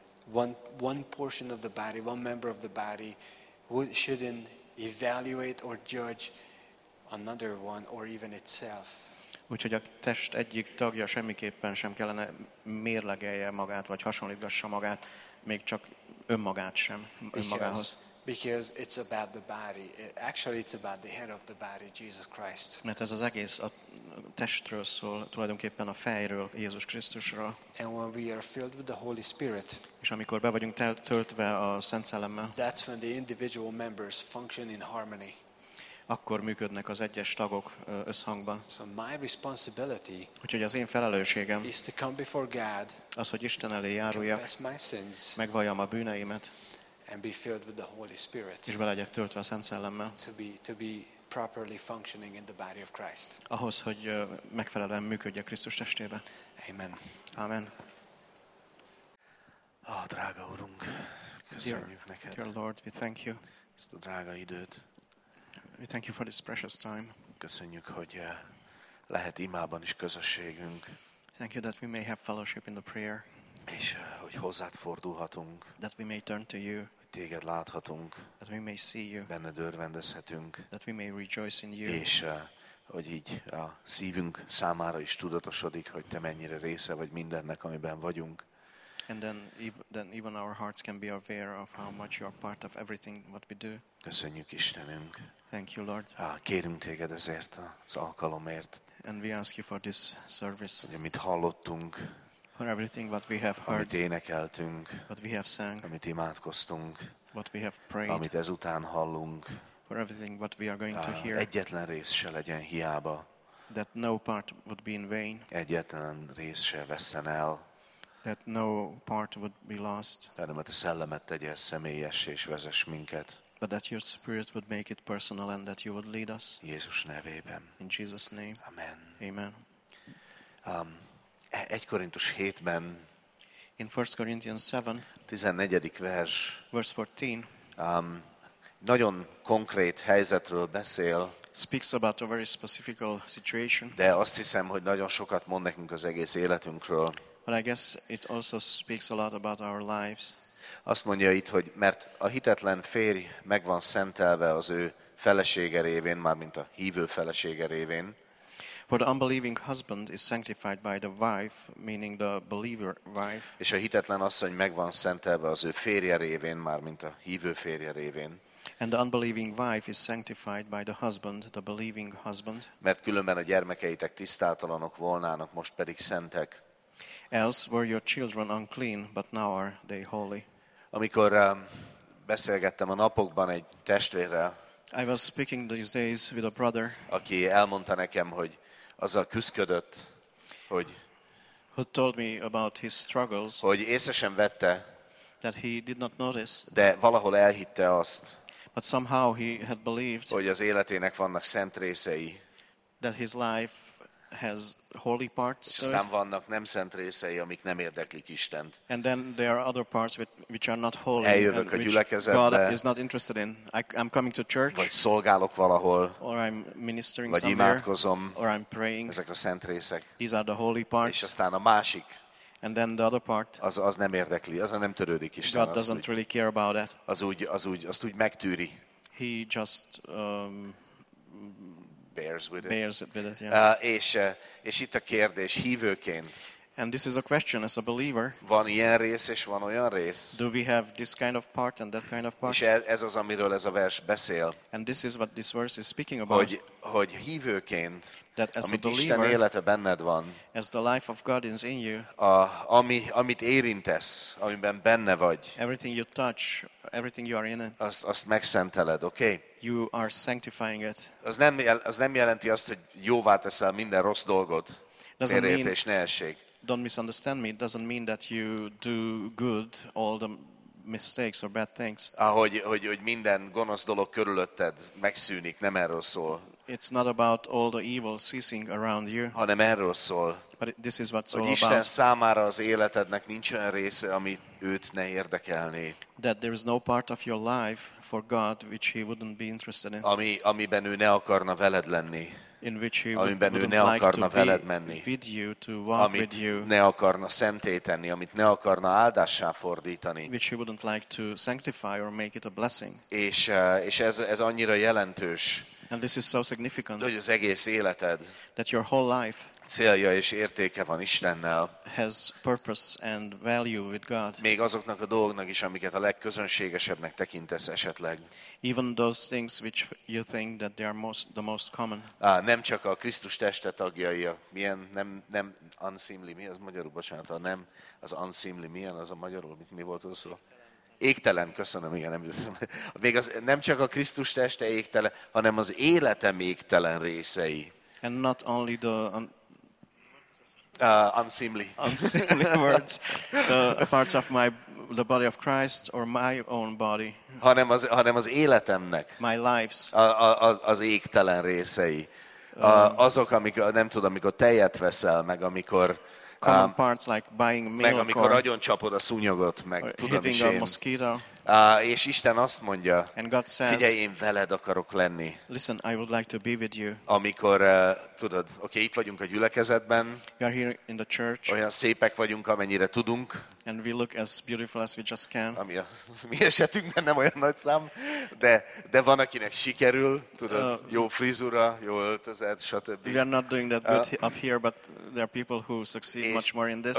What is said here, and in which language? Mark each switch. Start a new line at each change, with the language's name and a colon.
English: One portion of the body, one member of the body, shouldn't evaluate or judge another one or even itself.
Hungarian: Úgyhogy a test egyik tagja semmiképpen sem kellene mérlegelje magát vagy hasonlítgassa magát, még csak önmagát sem, önmagához.
English: Because it's about the body. Actually, it's about the head of the body, Jesus Christ.
Hungarian: Mert ez az egész a testről szól, tulajdonképpen a fejről, Jézus Krisztusról.
English: And when we are filled with the Holy Spirit,
Hungarian: és amikor be vagyunk töltve a Szent Szellemmel,
English: that's when the individual members function in harmony.
Hungarian: Akkor működnek az egyes tagok összhangban.
English: So my responsibility,
Hungarian: úgyhogy az én felelősségem,
English: is to come before God,
Hungarian: az, hogy Isten elé járuljak,
English: confess my sins,
Hungarian: megvalljam a bűneimet,
English: and be filled with the Holy Spirit.
Hungarian: És be legyek töltve a Szent Szellemmel.
English: To be properly functioning in the body of Christ.
Hungarian: Ahhoz, hogy megfelelően működjek Krisztus testében.
English: Amen.
Hungarian: Amen. Ah, drága Urunk, köszönjük neked.
English: Dear Lord, we thank you.
Hungarian: Ezt a drága időt.
English: We thank you for this precious time.
Hungarian: Köszönjük, hogy lehet imában is közösségünk.
English: Thank you that we may have fellowship in the prayer.
Hungarian: És hogy hozzád fordulhatunk.
English: That we may turn to you.
Hungarian: Hogy téged láthatunk.
English: That we may see you.
Hungarian: Benned örvendezhetünk.
English: That we may rejoice in you.
Hungarian: És hogy így a szívünk számára is tudatosodik, hogy te mennyire része vagy mindennek, amiben vagyunk.
English: And then even our hearts can be aware of how much you are part of everything what we do.
Hungarian: Köszönjük Istenünk.
English: Thank you Lord.
Hungarian: Kérünk téged ezért az alkalomért.
English: And we ask you for this service.
Hungarian: Hogy amit hallottunk,
English: for everything what we have heard,
Hungarian: amit énekeltünk,
English: what we have sang,
Hungarian: amit imádkoztunk,
English: what we have prayed,
Hungarian: amit ezután hallunk,
English: for everything what we are going to hear,
Hungarian: egyetlen rész se legyen hiába,
English: that no part would be in vain,
Hungarian: egyetlen rész se vesszen el,
English: that no part would be lost,
Hungarian: hanem a te szellemet tegye személyes és vezess minket,
English: but that your spirit would make it personal and that you would lead us,
Hungarian: Jézus nevében,
English: in Jesus name,
Hungarian: amen,
English: amen.
Hungarian: 1 Korintus 7-ben,
English: in 1 Corinthians 7,
Hungarian: 14. vers,
English: verse 14,
Hungarian: nagyon konkrét helyzetről beszél,
English: speaks about a very specific situation,
Hungarian: de azt hiszem, hogy nagyon sokat mond nekünk az egész életünkről.
English: But I guess it also speaks a lot about our lives.
Hungarian: Azt mondja itt, hogy mert a hitetlen férj meg van szentelve az ő felesége révén, mármint a hívő felesége révén.
English: For the unbelieving husband is sanctified by the wife, meaning the believer wife.
Hungarian: És a hitetlen asszony meg van szentelve az ő férje révén, mármint a hívő férje révén.
English: And the unbelieving wife is sanctified by the husband, the believing husband.
Hungarian: Mert különben a gyermekeitek tisztátalanok volnának, most pedig szentek.
English: Else were your children unclean, but now are they holy.
Hungarian: Amikor beszélgettem a napokban egy testvérrel,
English: I was speaking these days with a brother,
Hungarian: aki elmondta nekem, hogy azzal küszködött, hogy
English: who told me about his struggles,
Hungarian: hogy észre sem vette,
English: that he did not notice,
Hungarian: de valahol elhitte azt,
English: but somehow he had believed,
Hungarian: hogy az életének vannak szent részei,
English: that his life has holy parts,
Hungarian: és aztán vannak nem szent részei, amik nem érdeklik Istent.
English: And then there are other parts which are not holy.
Hungarian: Eljövök a gyülekezetbe.
English: God is not interested in. I'm coming to church.
Hungarian: Vagy szolgálok valahol.
English: Or I'm ministering somewhere.
Hungarian: Vagy imádkozom.
English: Or I'm praying.
Hungarian: Ezek a szent részek.
English: These are the holy parts.
Hungarian: És aztán a másik.
English: And then the other part.
Hungarian: Az nem érdekli. Az nem törődik Isten.
English: God doesn't really care about that.
Hungarian: Azt úgy megtűri.
English: He just bears with it, yes.
Hungarian: És itt a kérdés hívőként.
English: And this is a question as a believer.
Hungarian: Van ilyen rész és van olyan rész.
English: Do we have this kind of part and that kind of part?
Hungarian: És ez az, amiről ez a vers beszél.
English: And this is what this verse is speaking about.
Hungarian: Hogy hívőként,
English: that as
Hungarian: amit
English: a believer,
Hungarian: Isten élete benned van,
English: as the life of God is in you,
Hungarian: amit érintesz, amiben benne vagy,
English: everything you touch, everything you are in it,
Hungarian: azt megszenteled, okay?
English: You are sanctifying it.
Hungarian: Az nem jelenti azt, hogy jóvá teszel minden rossz dolgot. Félreértés ne essék.
English: Don't misunderstand me. It doesn't mean that you do good all the mistakes or bad things.
Hungarian: Ahogy minden gonosz dolog körülötted megszűnik, nem erről szól.
English: It's not about all the evil ceasing around you.
Hungarian: Hanem erről szól.
English: But this is what's all about.
Hungarian: Hogy Isten számára az életednek nincs olyan része, ami őt ne érdekelné.
English: That there is no part of your life for God which he wouldn't be interested in.
Hungarian: Amiben ő ne akarna veled lenni.
English: In which he
Hungarian: amiben
English: would
Hungarian: ő ne
English: like
Hungarian: akarna
English: to
Hungarian: veled menni,
English: with you, to walk
Hungarian: amit
English: with you,
Hungarian: ne akarna szentté tenni, amit ne akarna áldássá fordítani.
English: Which he wouldn't like to sanctify or make it a blessing.
Hungarian: És ez annyira jelentős,
English: and this is so significant,
Hungarian: hogy az egész életed,
English: that your whole life,
Hungarian: célja és értéke van Istennel,
English: has purpose and value with God.
Hungarian: Még azoknak a dolgoknak is, amiket a legközönségesebbnek tekintesz esetleg.
English: Even those things which you think that they are most the most common.
Hungarian: Nem csak a Krisztus teste tagjai, milyen nem unseemly, mi az magyarul, bocsánat, nem az unseemly, milyen az a magyarul, mi volt az a szó? Égtelen, köszönöm, igen, nem tudom. Még az nem csak a Krisztus teste égtelen, hanem az életem égtelen részei.
English: And not only the unseemly. Unseemly words. Parts of the body of Christ or my own body.
Hungarian: Hanem az életemnek.
English: My life's.
Hungarian: Az égtelen részei. Azok, amikor, nem tudom, amikor tejet veszel, meg amikor
English: common parts like buying milk,
Hungarian: meg amikor nagyon csapod a szúnyogot, meg tudom is én.
English: A mosquito.
Hungarian: És Isten azt mondja,
English: and God says,
Hungarian: figyelj, én veled akarok lenni.
English: Listen, I would like to be with you.
Hungarian: Amikor tudod, oké, itt vagyunk a gyülekezetben.
English: We are here in the church.
Hungarian: Olyan szépek vagyunk, amennyire tudunk.
English: And we look as beautiful as we just can.
Hungarian: Ami a mi esetünkben nem olyan nagy szám, de van, akinek sikerül, tudod, jó frizura, jó öltözet, stb.
English: We are not doing that good up here, but there are people who succeed much more in this.